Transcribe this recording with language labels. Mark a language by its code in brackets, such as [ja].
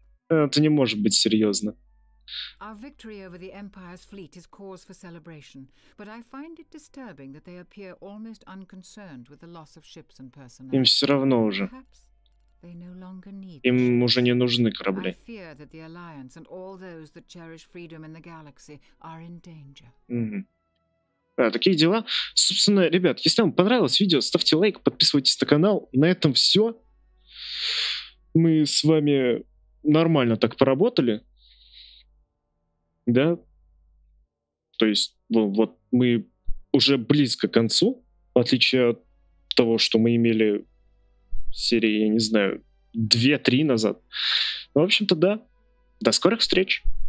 [ru] Это не может быть серьезно. [en] Our victory over the Empire's fleet is cause for celebration, but I find it disturbing that they appear almost unconcerned with the loss of ships and personnel. [ru] Им все равно уже. [en] They no longer need Им ships. [ru] Уже не нужны корабли. [en] I fear that the Alliance and all those that cherish freedom in the galaxy are in danger. [ru] Угу. А, такие дела. Собственно, ребят, если вам понравилось видео, ставьте лайк, подписывайтесь на канал. На этом все. Мы с вами нормально так поработали. Да, то есть вот мы уже близко к концу, в отличие от того, что мы имели серии, я не знаю, 2-3 назад. Ну, в общем-то, да. До скорых встреч!